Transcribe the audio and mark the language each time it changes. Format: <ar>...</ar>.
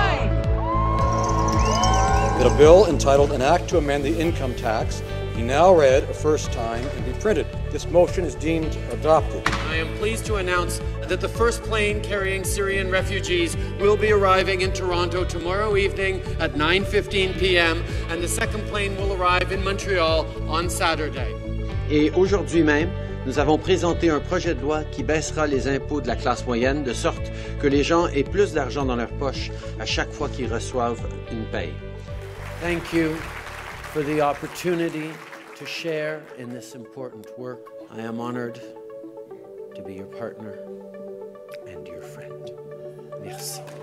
<en>That a bill entitled An Act to Amend the Income Tax be now read a first time and be printed. This motion is deemed adopted. I am pleased to announce that the first plane carrying Syrian refugees will be arriving in Toronto tomorrow evening at 9:15 p.m. and the second plane will arrive in Montreal on Saturday.</en> <fr>Et aujourd'hui même, nous avons présenté un projet de loi qui baissera les impôts de la classe moyenne de sorte que les gens aient plus d'argent dans leur poche à chaque fois qu'ils reçoivent une paye.</fr> <en>Thank you for the opportunity to share in this important work. I am honored to be your partner and your friend.</en> <fr>Merci.</fr>